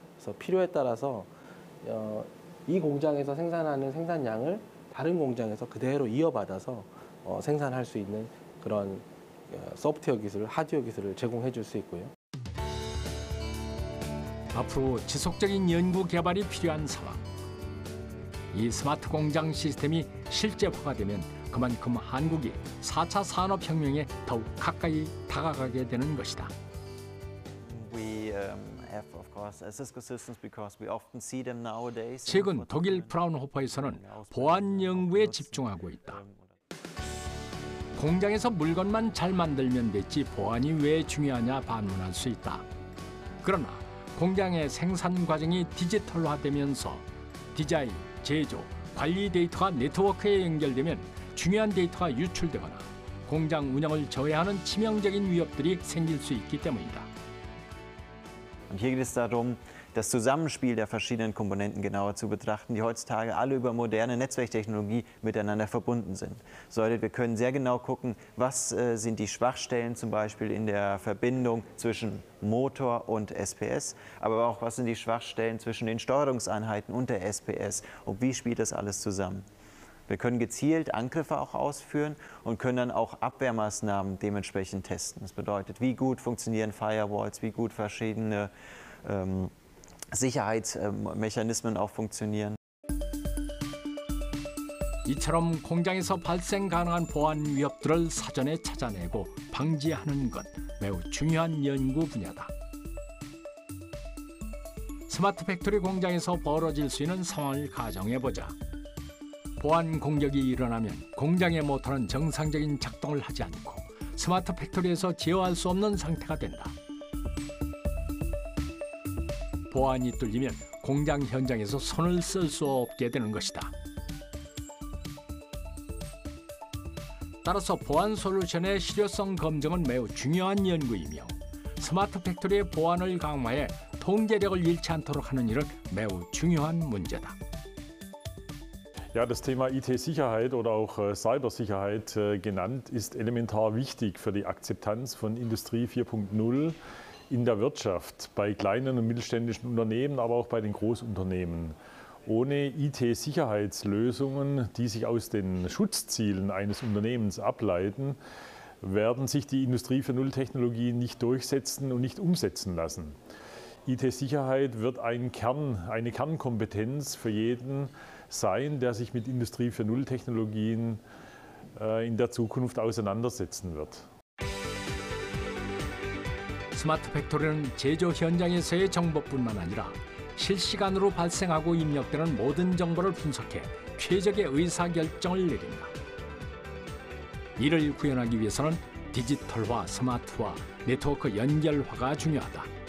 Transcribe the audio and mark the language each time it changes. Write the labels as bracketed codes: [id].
[ko] 그래서 필요에 따라서 이 공장에서 생산하는 생산량을 다른 공장에서 그대로 이어받아서 생산할 수 있는 그런 소프트웨어 기술, 하드웨어 기술을 제공해 줄 수 있고요. 앞으로 지속적인 연구 개발이 필요한 상황. 이 스마트 공장 시스템이 실제화가 되면 그만큼 한국이 4차 산업혁명에 더욱 가까이 다가가게 되는 것이다. [en] We have, of course, Cisco systems because we often see them nowadays. [ko] 최근 독일 프라운호퍼에서는 보안 연구에 집중하고 있다. 공장에서 물건만 잘 만들면 됐지 보안이 왜 중요하냐 반문할 수 있다. 그러나 공장의 생산 과정이 디지털화되면서 디자인, 제조, 관리 데이터가 네트워크에 연결되면 중요한 데이터가 유출되거나 공장 운영을 저해하는 치명적인 위협들이 생길 수 있기 때문이다. [de] Und hier geht es darum, das Zusammenspiel der verschiedenen Komponenten genauer zu betrachten, die heutzutage alle über moderne Netzwerktechnologie miteinander verbunden sind. So heute, wir können sehr genau gucken, was sind die Schwachstellen zum Beispiel in der Verbindung zwischen Motor und SPS, aber auch was sind die Schwachstellen zwischen den Steuerungseinheiten und der SPS und wie spielt das alles zusammen. Wir können gezielt Angriffe auch ausführen und können dann auch Abwehrmaßnahmen dementsprechend testen. Das bedeutet, wie gut funktionieren Firewalls, wie gut verschiedene Sicherheitsmechanismen auch funktionieren. [ko] 이처럼 공장에서 발생 가능한 보안 위협들을 사전에 찾아내고 방지하는 것, 매우 중요한 연구 분야다. 스마트 팩토리 공장에서 벌어질 수 있는 상황을 가정해보자. 보안 공격이 일어나면 공장의 모터는 정상적인 작동을 하지 않고 스마트 팩토리에서 제어할 수 없는 상태가 된다. 보안이 뚫리면 공장 현장에서 손을 쓸 수 없게 되는 것이다. 따라서 보안 솔루션의 실효성 검증은 매우 중요한 연구이며 스마트 팩토리의 보안을 강화해 통제력을 잃지 않도록 하는 일은 매우 중요한 문제다. [de] Ja, das Thema IT-Sicherheit oder auch Cybersicherheit genannt ist elementar wichtig für die Akzeptanz von Industrie 4.0 in der Wirtschaft, bei kleinen und mittelständischen Unternehmen, aber auch bei den Großunternehmen. Ohne IT-Sicherheitslösungen, die sich aus den Schutzzielen eines Unternehmens ableiten, werden sich die Industrie 4.0-Technologien nicht durchsetzen und nicht umsetzen lassen. IT-Sicherheit wird eine Kernkompetenz für jeden sein, der sich mit Industrie 4.0-Technologien in der Zukunft auseinandersetzen wird. [ko] 스마트 팩토리는 제조 현장에서의 정보뿐만 아니라 실시간으로 발생하고 입력되는 모든 정보를 분석해 최적의 의사결정을 내린다. 이를 구현하기 위해서는 디지털화, 스마트화, 네트워크 연결화가 중요하다.